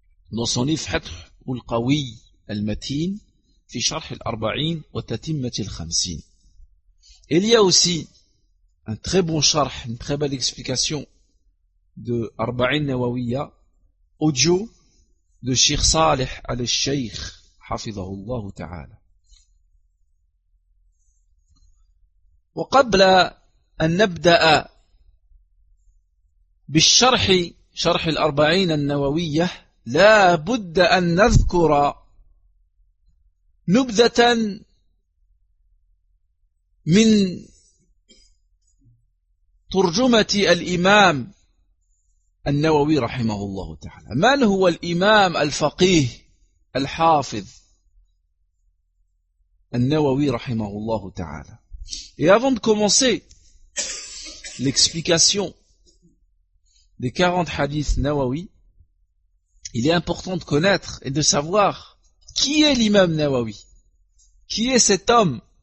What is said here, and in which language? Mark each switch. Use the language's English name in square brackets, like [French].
[French] Dans son livre, Fath al-Qawi al-Matin, fi Sharh al-Arba'in wa Tatimmat al-Khamsin. Il y a aussi un très bon Sharh, une très belle explication de Arba'in Nawawiya, audio, de Cheikh Salih al-Sheikh, hafidhahullah ta'ala. [Arabic] وقبل أن نبدأ بالشرح شرح الأربعين النووية لا بد أن نذكر نبذة من ترجمة الإمام النووي رحمه الله تعالى. من هو الإمام الفقيه الحافظ النووي رحمه الله تعالى؟ [French] Et avant de commencer l'explication des 40 hadiths nawawi, il est important de connaître et de savoir qui est l'imam nawawi. Qui est cet homme?